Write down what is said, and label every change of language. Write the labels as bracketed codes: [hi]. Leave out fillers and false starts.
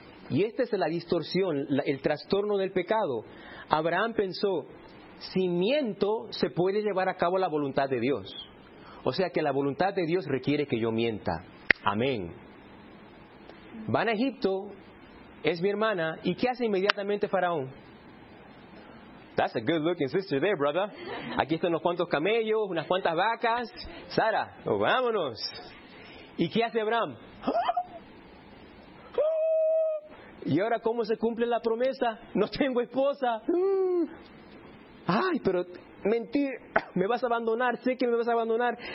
[es] Y esta es la distorsión, el trastorno del pecado. Abraham pensó, si miento, se puede llevar a cabo la voluntad de Dios. O sea que la voluntad de Dios requiere que yo mienta. Amén. Van a Egipto, es mi hermana, ¿y qué hace inmediatamente Faraón? [en] That's a good looking sister there, brother. [es] Aquí están unos cuantos camellos, unas cuantas vacas. Sara, oh, vámonos. ¿Y qué hace Abraham? ¿Y ahora cómo se cumple la promesa? No tengo esposa. Ay, pero mentir, me vas a abandonar, sé que me vas a abandonar.